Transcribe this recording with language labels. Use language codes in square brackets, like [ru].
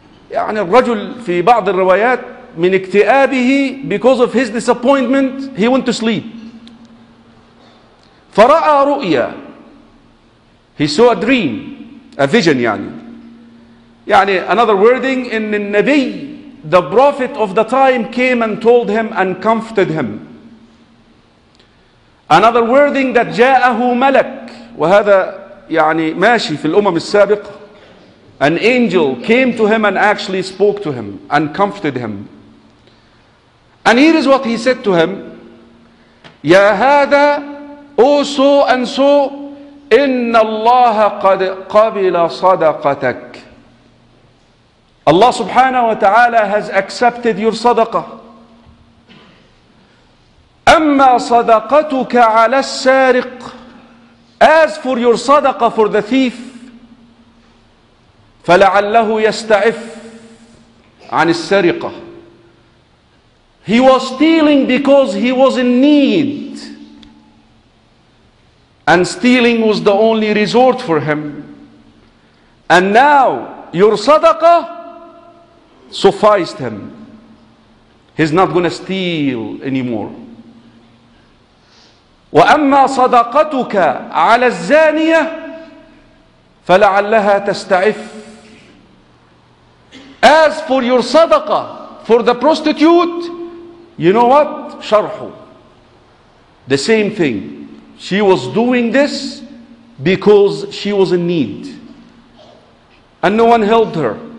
[ar] يعني الرجل في بعض الروايات من اكتئابه, [en] because of his disappointment, he went to sleep. [ar] فرأى رؤيا. [en] He saw a dream, a vision يعني. يعني another wording, [ar] إن النبي, [en] the prophet of the time, came and told him and comforted him. Another wording that [ar] جاءه ملك, وهذا يعني ماشي في الأمم السابقة. [en] An angel came to him and actually spoke to him and comforted him. And here is what he said to him. [ar] يا هذا, [en] O so and so, [ar] إن الله قد قبل صدقتك. [en] Allah subhanahu wa ta'ala has accepted your sadaqah. [ar] أما صدقتك على السارق. [en] As for your sadaqah for the thief, [ar] فلعله يستعف عن السرقة. [en] He was stealing because he was in need. And stealing was the only resort for him. And now your sadaqah sufficed him. He's not going to steal anymore. [ar] وأما صدقتك على الزانية فلعلها تستعف. [en] As for your sadaqah, for the prostitute, you know what? Sharhu. The same thing. She was doing this because she was in need. And no one helped her.